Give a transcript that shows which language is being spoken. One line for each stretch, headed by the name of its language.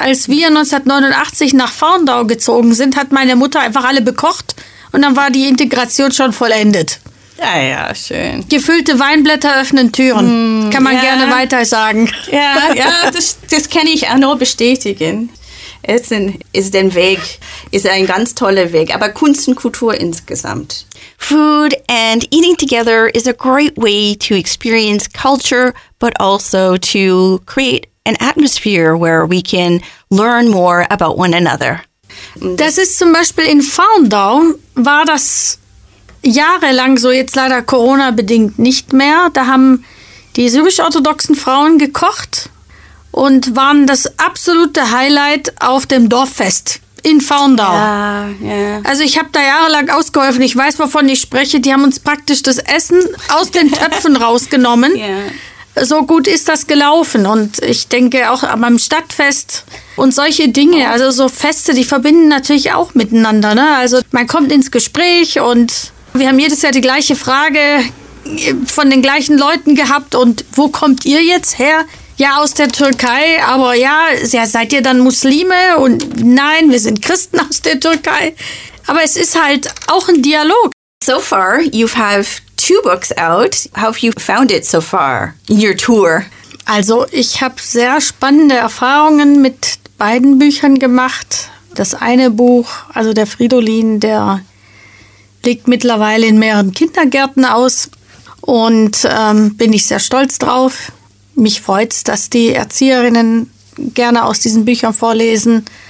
German: Als wir 1989 nach Vaundau gezogen sind, hat meine Mutter einfach alle bekocht und dann war die Integration schon vollendet. Ja, ja, schön. Gefüllte Weinblätter öffnen Türen, kann man gerne weiter sagen. Ja, ja, das kann ich auch nur bestätigen. Essen ist ein Weg, ist ein ganz toller Weg, aber Kunst und Kultur insgesamt.
English: Food and eating together is a great way to experience culture, but also to create an atmosphere where we can learn more about one another.
German: Das ist zum Beispiel in Vaundau, war das jahrelang so, jetzt leider Corona-bedingt nicht mehr. Da haben die syrisch-orthodoxen Frauen gekocht und waren das absolute Highlight auf dem Dorffest in Vaundau. Ja, ja. Also ich habe da jahrelang ausgeholfen. Ich weiß, wovon ich spreche. Die haben uns praktisch das Essen aus den Töpfen rausgenommen. Ja. So gut ist das gelaufen. Und ich denke auch am Stadtfest und solche Dinge, also so Feste, die verbinden natürlich auch miteinander. Ne? Also man kommt ins Gespräch und wir haben jedes Jahr die gleiche Frage von den gleichen Leuten gehabt. Und wo kommt ihr jetzt her? Ja, aus der Türkei. Aber ja, seid ihr dann Muslime? Und nein, wir sind Christen aus der Türkei. Aber es ist halt auch ein Dialog.
English: So far, you have two books out. How have you found it so far in your tour?
German: Also, ich habe sehr spannende Erfahrungen mit beiden Büchern gemacht. Das eine Buch, also der Fridolin, der liegt mittlerweile in mehreren Kindergärten aus und bin ich sehr stolz drauf. Mich freut es, dass die Erzieherinnen gerne aus diesen Büchern vorlesen.